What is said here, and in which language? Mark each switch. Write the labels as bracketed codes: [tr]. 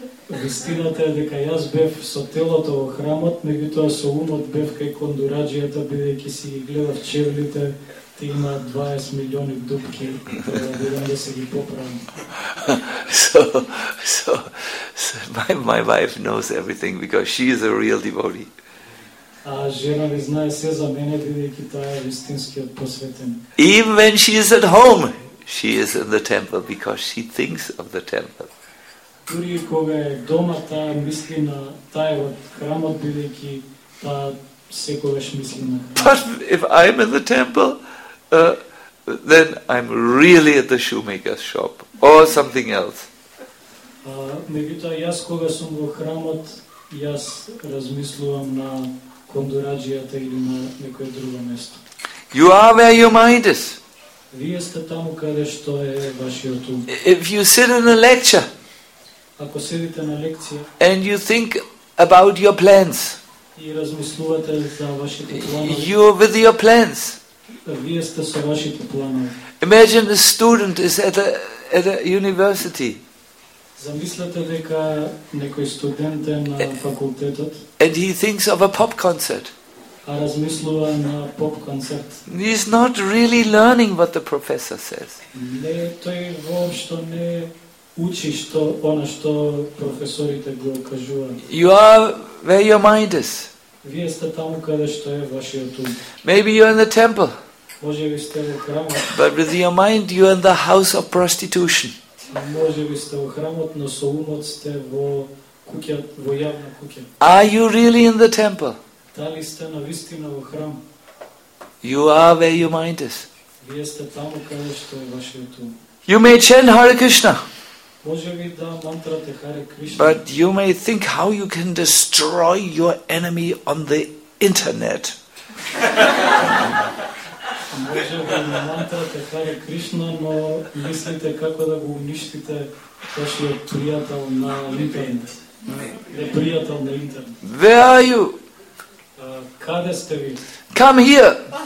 [mk] Вистината е дека јас бев со телото во храмот, меѓутоа со умот бев кај кондураџијата, бидејќи си ги гледав чевлите, ти има 20 милиони дупки, бидам да се ги поправам. [en] So my wife knows everything because she is a real devotee. [mk] А жена ми знае се за мене, бидејќи таа е вистинскиот посветеник. [en] Even when she is at home, she is in the temple because she thinks of the temple. [mk] Дури кога е дома, таа мисли на тај во храмот, бидејќи таа секогаш мисли на храмот. [en] But if I'm in the temple, then I'm really at the shoemaker's shop or something else. [mk] Меѓутоа, јас кога сум во храмот, јас размислувам на кондураџијата или на некое друго место. [en] You are where your mind is. [mk] Вие сте таму каде што е вашиот ум. [en] If you sit in a lecture, [mk] ако седите на лекција, [en] and you think about your plans, [mk] и размислувате за вашите планови, [en] you are with your plans. [mk] Вие сте со вашите планови. [en] Imagine a student is at a university. [mk] Замислете дека некој студент е на факултетот. [en] And he thinks of a pop concert. [mk] А размислува на поп концерт. [en] He's not really learning what the professor says. [mk] Не, тој воопшто не учи што она што професорите го кажуваат. [en] You are where your mind is. [mk] Вие сте таму каде што е вашиот ум. [en] Maybe you're in the temple. [mk] Може ви сте во храмот. [en] But with your mind you're in the house of prostitution. [mk] Може ви сте во храмот, но со умот сте во куќа, во јавна куќа. [en] Are you really in the temple? [mk] Дали сте на вистина во храм? [en] You are where your mind is. [mk] Вие сте таму каде што е вашиот ум. [en] You may chant Hare Krishna. [mk] Може ви да мантрате Hare Krishna. [en] But you may think how you can destroy your enemy on the internet. [mk] Може да мантрате Hare Krishna, но мислите како да го уништите вашиот пријател на интернет. Непријател на интернет. [en] Where are you? [mk] Каде сте ви? [en] Come here.